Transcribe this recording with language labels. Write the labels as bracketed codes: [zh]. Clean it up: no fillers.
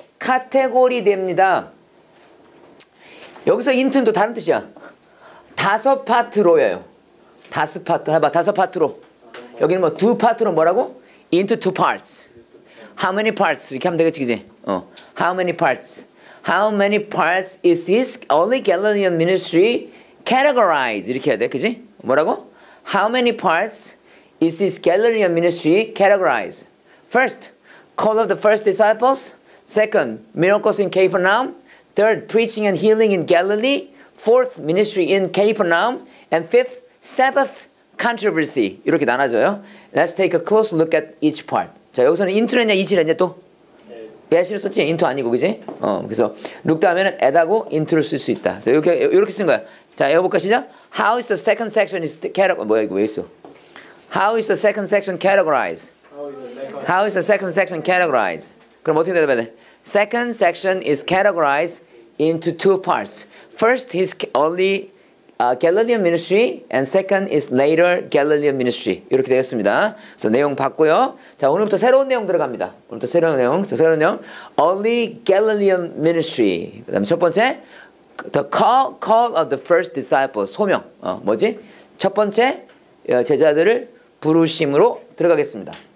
[ko] 카테고리 됩니다. 여기서 인트는 또 다른 뜻이야. 다섯 파트로예요. 다섯 파트로 해봐. 다섯 파트로. 여기는 뭐 두 파트로 뭐라고? [en] Into two parts. How many parts? [ko] 이렇게 하면 되겠지, 그지? [en] How many parts? How many parts is his only Galilean ministry categorized? [ko] 이렇게 해야 돼, 그지? 뭐라고? [en] How many parts is his Galilean ministry categorized? First, call of the first disciples. Second, miracles in Capernaum. Third, preaching and healing in Galilee. Fourth, ministry in Capernaum. And fifth, Sabbath controversy. [ko] 이렇게 나눠져요. [en] Let's take a close look at each part. [ko] 자, 여기서는 into냐, is냐 또? 네. 예시로 썼지? into 아니고, 그지? 그래서 look 다음에는 at하고 into를 쓸 수 있다. 자, 이렇게 쓴 거야. 자, 읽어볼까, 시작? [en] How is the second section is categorized? [ko] 뭐야, 이거 왜 있어? [en] How is the second section categorized? How is the second section categorized? [ko] 그럼 어떻게 대답해야 돼? [en] Second section is categorized into two parts. First, his only Galilean Ministry and second is later Galilean Ministry. [ko] 이렇게 되겠습니다. 그래서 내용 봤고요. 자, 오늘부터 새로운 내용 들어갑니다. 오늘부터 새로운 내용. 자, 새로운 내용. Only Galilean Ministry. 그다음 첫 번째 [en] the call of the first disciples. [ko] 소명. 뭐지? 첫 번째 제자들을 부르심으로 들어가겠습니다.